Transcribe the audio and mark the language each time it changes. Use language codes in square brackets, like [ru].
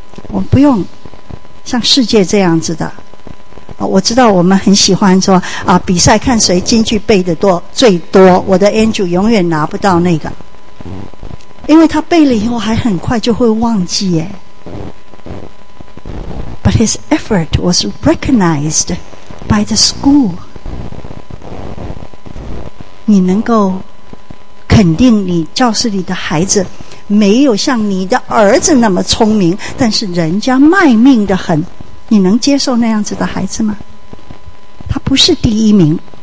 [zh] 我们不用像世界这样子的。我知道我们很喜欢说啊，比赛看谁金句背得多最多，我的 Andrew 永远拿不到那个，因为他背了以后还很快就会忘记耶。 [en] But his effort was recognized by the school。 [zh] 你能够肯定你教室里的孩子没有像你的儿子那么聪明，但是人家卖命得很，你能接受那样子的孩子吗？他不是第一名。